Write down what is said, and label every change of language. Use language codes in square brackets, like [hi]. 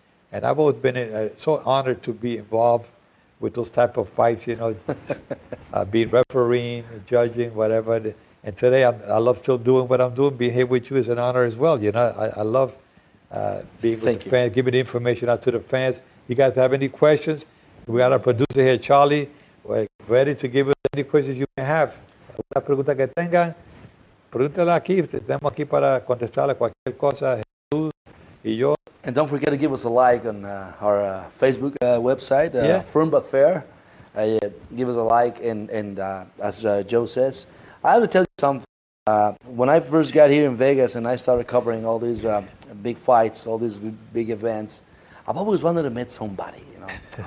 [en] And I've always been so honored to be involved with those type of fights, you know, being refereeing, judging, whatever. And today, I love still doing what I'm doing. Being here with you is an honor as well. You know, I love being with Thank the you. Fans, giving the information out to the fans. You guys have any questions? We got our producer here, Charlie. We're ready to give us any questions you may have. [es] Alguna pregunta que tengan, pregúntela aquí. Estamos aquí para contestarle cualquier cosa. Jesús y yo, [en] And don't forget to give us a like on our Facebook website, Firm But Fair. Give us a like, and as Joe says, I have to tell you something. When I first got here in Vegas and I started covering all these big fights, all these big events, I've always wanted to meet somebody, you know.